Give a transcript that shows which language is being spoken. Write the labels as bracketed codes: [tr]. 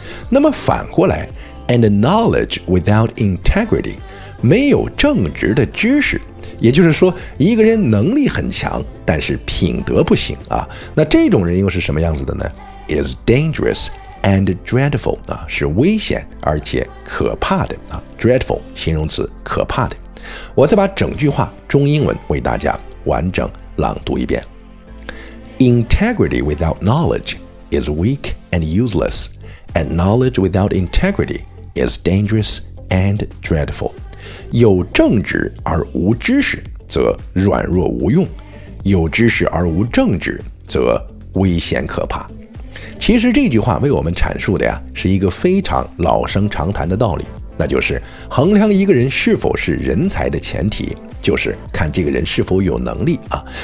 [zh] 那么反过来， [en] And knowledge without integrity， [zh] 没有正直的知识，也就是说一个人能力很强，但是品德不行啊，那这种人又是什么样子的呢？ [en] Is dangerous and dreadful [zh] 啊，是危险而且可怕的啊。 Dreadful 形容词，可怕的。我再把整句话中英文为大家完整朗读一遍。 [en] Integrity without knowledge is weak and useless, and knowledge without integrity is dangerous and dreadful. [zh] 有正直而无知识则软弱无用，有知识而无正直则危险可怕。其实这句话为我们阐述的呀，是一个非常老生常谈的道理，那就是衡量一个人是否是人才的前提，就是看这个人是否有能力啊。